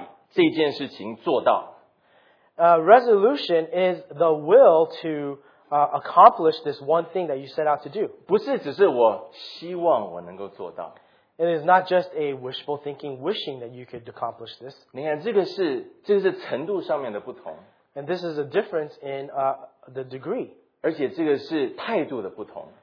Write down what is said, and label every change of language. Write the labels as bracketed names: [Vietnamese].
[Chinese] 新年的立志是我定义要把这件事情做到。 [English] Resolution is the will to accomplish this one thing that you set out to do. [Chinese] 不是只是我希望我能够做到。 [English] It is not just a wishful thinking, wishing that you could accomplish this. [Chinese] 你看，这个是程度上面的不同。 [English] And this is a difference in the degree. [Chinese] 而且这个是态度的不同。